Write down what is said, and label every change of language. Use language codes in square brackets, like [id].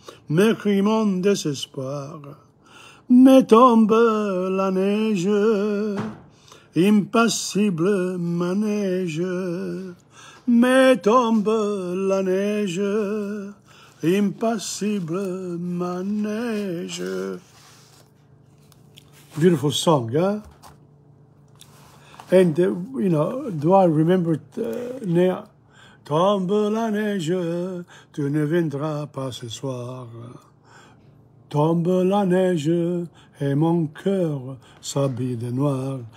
[fr] mes cris, mon désespoir, me tombe la neige, impassible ma neige, me tombe la neige, impassible ma neige. [en] Beautiful song, huh? And, you know, do I remember it now? [fr] Tombe la neige, tu ne viendras pas ce soir. Tombe la neige, et mon cœur s'habille de noir.